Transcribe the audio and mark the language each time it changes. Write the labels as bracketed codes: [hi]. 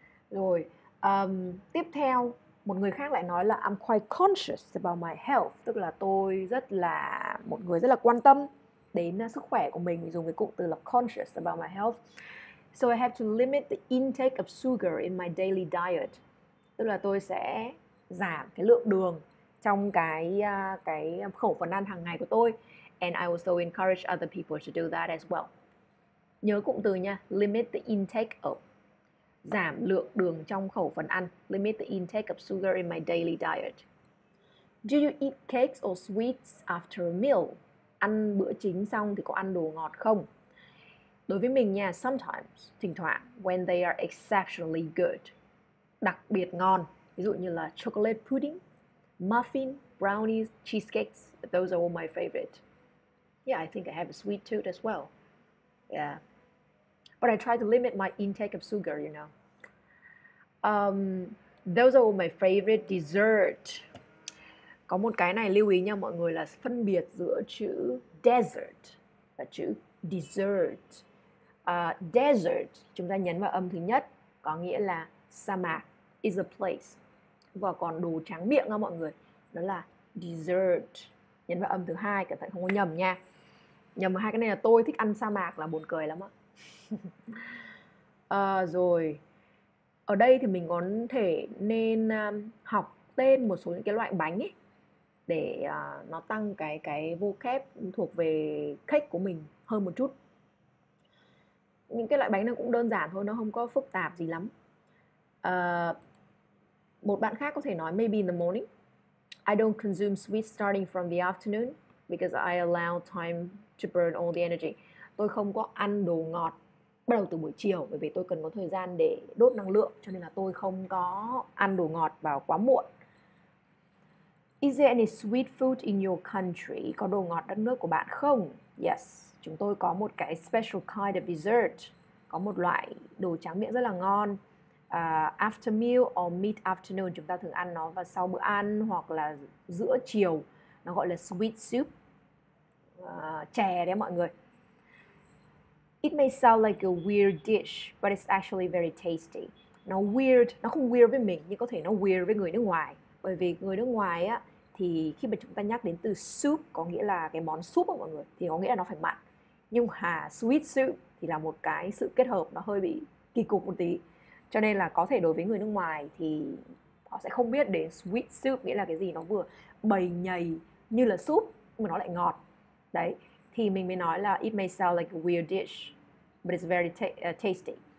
[vi] Rồi tiếp theo một người khác lại nói là [en] I'm quite conscious about my health, [vi] tức là tôi rất là một người rất là quan tâm đến sức khỏe của mình, dùng cái cụm từ là [en] conscious about my health. So I have to limit the intake of sugar in my daily diet. [vi] Tức là tôi sẽ giảm cái lượng đường trong cái khẩu phần ăn hàng ngày của tôi. [en] And I also encourage other people to do that as well. [vi] Nhớ cụm từ nha, [en] limit the intake of, [vi] giảm lượng đường trong khẩu phần ăn, [en] limit the intake of sugar in my daily diet. Do you eat cakes or sweets after a meal? [vi] ăn bữa chính xong thì có ăn đồ ngọt không? Đối với mình nha, [en] sometimes, [vi] thỉnh thoảng, [en] when they are exceptionally good, [vi] đặc biệt ngon, ví dụ như là [en] chocolate pudding, muffin, brownies, cheesecakes, those are all my favorite. Yeah, I think I have a sweet tooth as well. Yeah. But I try to limit my intake of sugar, you know. Those are all my favorite dessert. [vi] Có một cái này lưu ý nha mọi người là phân biệt giữa chữ desert và chữ dessert. Desert chúng ta nhấn vào âm thứ nhất có nghĩa là sa mạc, [en] is a place. [vi] Và còn đồ tráng miệng nha mọi người, đó là dessert. Nhấn vào âm thứ hai, cẩn thận không có nhầm nha. Nhầm hai cái này là tôi thích ăn sa mạc là buồn cười lắm á. Rồi. Ở đây thì mình có thể nên học tên một số những cái loại bánh ấy để nó tăng cái vocab thuộc về cake của mình hơn một chút. Những cái loại bánh nó cũng đơn giản thôi, nó không có phức tạp gì lắm. Một bạn khác có thể nói [en] maybe in the morning. I don't consume sweets starting from the afternoon because I allow time to burn all the energy. [vi] Tôi không có ăn đồ ngọt bắt đầu từ buổi chiều bởi vì tôi cần có thời gian để đốt năng lượng, cho nên là tôi không có ăn đồ ngọt vào quá muộn. [en] Is there any sweet food in your country? [vi] Có đồ ngọt đất nước của bạn không? Yes, chúng tôi có một cái [en] special kind of dessert. [vi] Có một loại đồ tráng miệng rất là ngon. [en] After meal or mid afternoon, [vi] chúng ta thường ăn nó vào sau bữa ăn hoặc là giữa chiều. Nó gọi là sweet soup. Chè đấy mọi người. [en] It may sound like a weird dish, but it's actually very tasty. [vi] Nó weird, nó không weird với mình, nhưng có thể nó weird với người nước ngoài. Bởi vì người nước ngoài á, thì khi mà chúng ta nhắc đến từ soup có nghĩa là cái món súp của mọi người thì có nghĩa là nó phải mặn, nhưng hà sweet soup thì là một cái sự kết hợp nó hơi bị kỳ cục một tí, cho nên là có thể đối với người nước ngoài thì họ sẽ không biết đến sweet soup nghĩa là cái gì, nó vừa bầy nhầy như là súp mà nó lại ngọt đấy, thì mình mới nói là [en] it may sound like a weird dish but it's very tasty.